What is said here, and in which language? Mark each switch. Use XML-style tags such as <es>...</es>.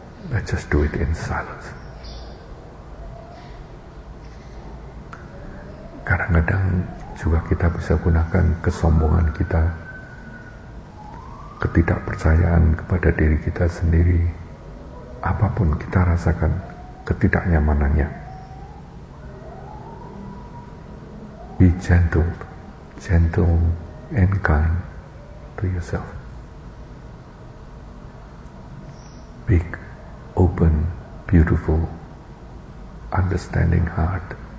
<en>Let's just do it in silence.</en> <id>Kadang-kadang juga kita bisa gunakan kesombongan kita, ketidakpercayaan kepada diri kita sendiri, apapun kita rasakan ketidaknyamanannya.</id> <en>Be gentle, gentle and kind to yourself. Big, open, beautiful, understanding heart.</en>